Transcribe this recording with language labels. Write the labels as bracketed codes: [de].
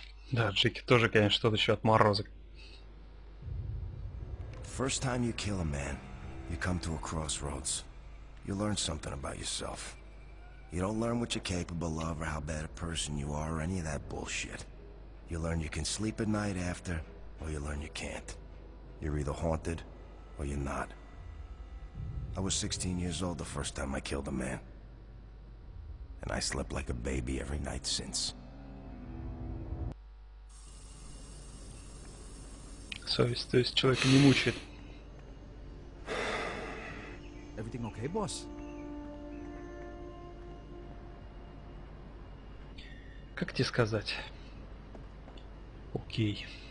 [ru] Да, Джеки тоже, конечно, тот еще отморозок. [en] First time you kill a man, you come to a crossroads. You learn something about yourself. You don't learn what you're capable of, or how bad a person you are, or any of that bullshit. You learn you can sleep at night after, or you learn you can't. You're either haunted, or you're not. I was 16 years old the first time I killed a man. And I slept like a baby every night since. [ru] Совесть, то есть человека не мучает. [en] Everything okay, boss? [ru] Как тебе сказать? Окей.